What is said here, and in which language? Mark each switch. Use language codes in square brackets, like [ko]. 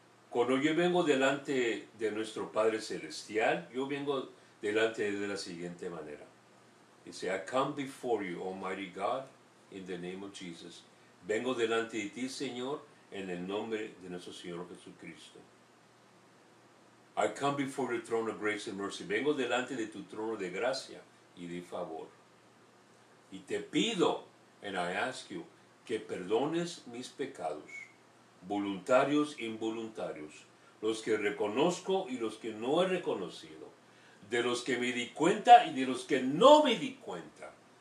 [es] Cuando yo vengo delante de nuestro Padre Celestial, yo vengo delante de la siguiente manera. Dice, [en] I come before you, Almighty God, in the name of Jesus. [es] Vengo delante de ti, Señor, en el nombre de nuestro Señor Jesucristo. [en] I come before the throne of grace and mercy. [es] Vengo delante de tu trono de gracia y de favor. Y te pido, [en] and I ask you, [es] que perdones mis pecados, voluntarios e involuntarios, los que reconozco y los que no he reconocido, de los que me di cuenta y de los que no me di cuenta.